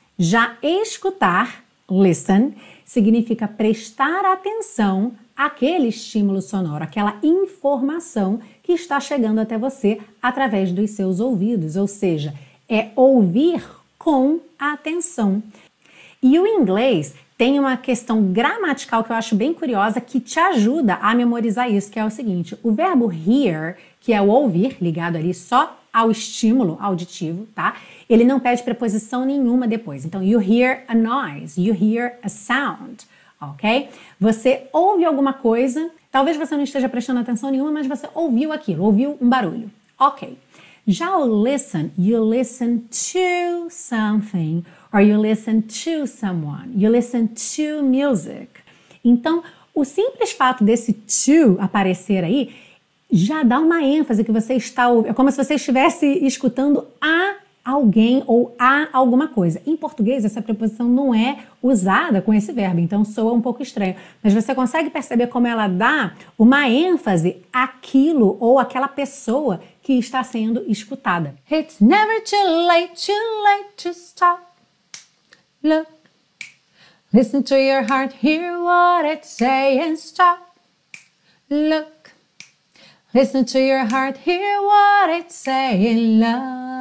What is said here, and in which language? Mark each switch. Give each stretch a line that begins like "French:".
Portuguese: Já escutar, listen, significa prestar atenção àquele estímulo sonoro, aquela informação que está chegando até você através dos seus ouvidos, ou seja, é ouvir com atenção. E o inglês tem uma questão gramatical que eu acho bem curiosa que te ajuda a memorizar isso, que é o seguinte: o verbo hear, que é o ouvir, ligado ali só ao estímulo auditivo, tá? Ele não pede preposição nenhuma depois. Então,
English: you hear a noise, you hear a sound, ok?
Portuguese: Você ouve alguma coisa, talvez você não esteja prestando atenção nenhuma, mas você ouviu aquilo, ouviu um barulho, ok. Já o
English: listen, you listen to something, or you listen to someone, you listen to music.
Portuguese: Então, o simples fato desse to aparecer aí, já dá uma ênfase que você está ouvindo, é como se você estivesse escutando a alguém ou a alguma coisa. Em português, essa preposição não é usada com esse verbo, então soa um pouco estranho. Mas você consegue perceber como ela dá uma ênfase àquilo ou àquela pessoa que está sendo escutada.
English: It's never too late to stop. Look, listen to your heart, hear what it's saying, stop. Look, listen to your heart, hear what it's saying, love.